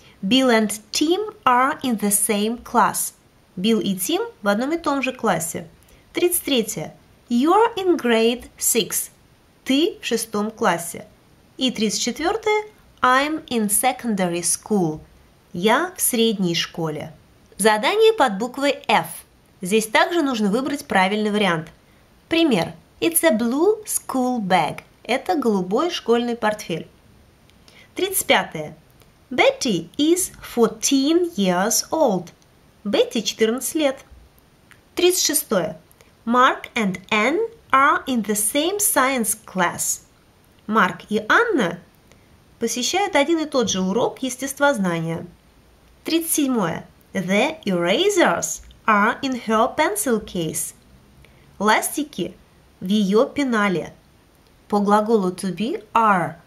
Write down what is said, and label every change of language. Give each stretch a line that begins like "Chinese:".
English: Bill and Tim are in the same class.
Russian: Билл и Тим в одном и том же классе. 33.
English: You're in grade 6.
Russian: Ты в шестом классе. И 34.
English: I'm in secondary school.
Russian: Я в средней школе. Задание под буквой F. Здесь также нужно выбрать правильный вариант. Пример.
English: It's a blue school bag.
Russian: Это голубой школьный портфель.
English: 35. Betty is 14 years old.
Russian: Бетти 14 лет. 36.
English: Mark and Anne are in the same science class.
Russian: Марк и Анна посещают один и тот же урок естествознания.
English: 37. The erasers are in her pencil case.
Russian: Ластики в ее пенале. По глаголу to be are